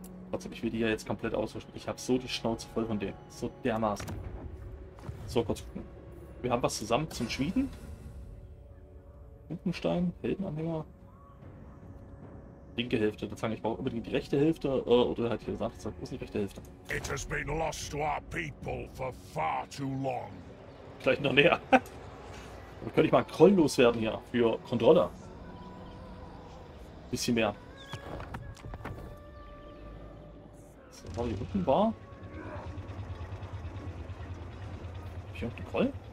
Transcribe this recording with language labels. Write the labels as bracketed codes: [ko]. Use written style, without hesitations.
[de] Trotzdem, ich will die ja jetzt komplett ausrüsten. Ich habe so die Schnauze voll von denen. So dermaßen. So, kurz gucken. Wir haben was zusammen zum Schmieden. Hinkenstein, Heldenanhänger. Linke Hälfte. Dann sage ich, brauche unbedingt die rechte Hälfte. Oder halt hier gesagt, das ist die rechte Hälfte. [en] It has been lost to our people for far too long. [de] Vielleicht noch näher. Dann könnte ich mal Kroll loswerden hier für Controller. Bisschen mehr. So, war hier unten war. Hab ich irgendeinen Kroll?